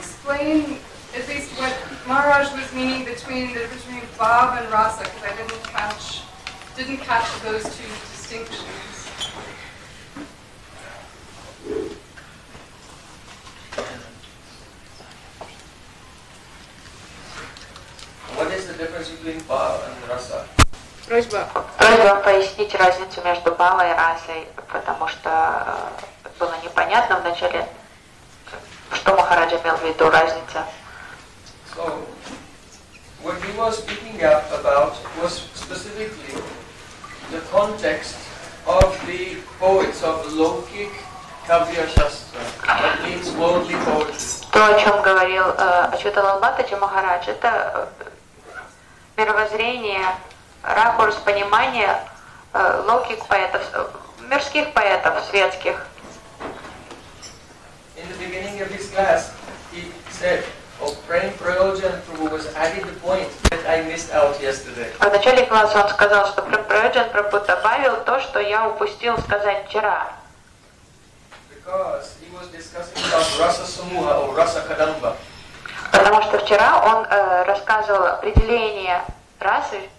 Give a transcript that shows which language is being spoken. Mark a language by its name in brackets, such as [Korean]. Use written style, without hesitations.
[English] Maharaj was meaning between bhava and rasa, because I didn't catch those two distinctions. What is the difference between bhava and rasa? [Russian] Просьба пояснить разницу между бхавой и расой, потому что было непонятно вначале, что Махараджа имел в виду разница. [English] So, what he was speaking up about was specifically the context of the poets of Laukik Kavya Shastra, that means worldly poetry. [Russian] То, о чем говорил Ачютана Лбатаджи Махарадж, это мировоззрение, ракурс понимания локих поэтов, мирских поэтов, светских. [English] In the beginning of his class, he said, "Oh, Prem Prayojan Prabhu was adding the point that I missed out yesterday." [Russian] В начале класса он сказал, что Prem Prayojan Prabhu добавил то, что я упустил сказать вчера. [English] Because he was discussing about rasa samuha or rasa kadamba. [Russian] Потому что вчера он рассказывал определение расы.